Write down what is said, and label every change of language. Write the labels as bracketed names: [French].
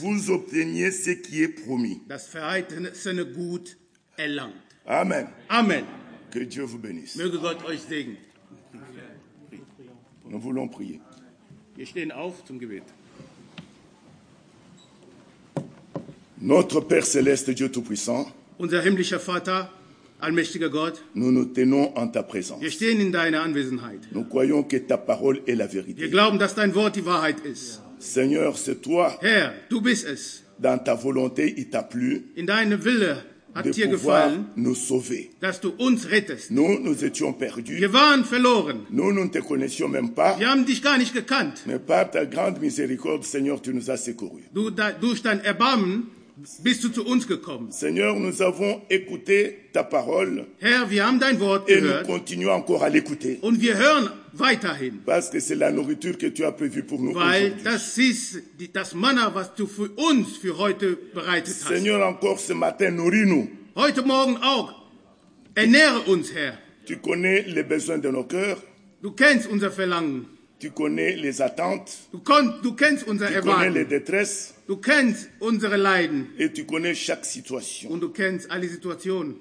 [French] vous obteniez ce qui est promis. [German] Das verheißene Gut erlangt. [French] Amen. [German] Amen. [French] Que Dieu vous bénisse. [German] Möge Gott euch segnen. [French] Nous voulons prier. [German] Wir stehen auf zum Gebet. [French] Notre Père céleste, Dieu tout-puissant. [German] Unser himmlischer Vater. Allmächtiger Gott, [French] nous nous tenons en ta présence. [German] Wir stehen in deiner Anwesenheit. [French] Nous croyons que ta parole est la vérité. [German] Wir glauben, dass dein Wort die Wahrheit ist. [French] Seigneur, c'est toi. [German] Herr, du bist es. [French] Dans ta volonté, il t'a plu. [German] In deinem Wille hat [French] de [German] dir gefallen, [French] nous sauver. [German] Dass du uns rettest. [French] Nous étions perdus. [German] Wir waren verloren. [French] Nous ne te connaissions même pas. [German] Wir haben dich gar nicht gekannt. [French] Mais par ta grande miséricorde, Seigneur, tu nous as secourus. [German] Durch dein Erbarmen bist du zu uns gekommen. [French] Seigneur, nous avons écouté ta parole. [German] Herr, wir haben dein Wort [French] et [German] gehört. [French] Nous continuons encore à l'écouter. [German] Und wir hören weiterhin. [French] Parce que c'est la nourriture que tu as prévue pour nous [German] Weil [French] aujourd'hui. [German] Das ist das Manna, was du für uns für heute bereitet hast. [French] Seigneur, encore ce matin, nourris-nous. [German] Heute Morgen auch. Ernähre uns, Herr. [French] Tu connais les besoins de nos cœurs. [German] Du kennst unser Verlangen. [French] Tu connais les attentes. [German] Du kennst unser [French] tu [German] Erwarten. [French] Connais les détresses. [German] Du kennst unsere Leiden. [French] Et tu connais chaque situation. [German] Und du kennst alle Situationen.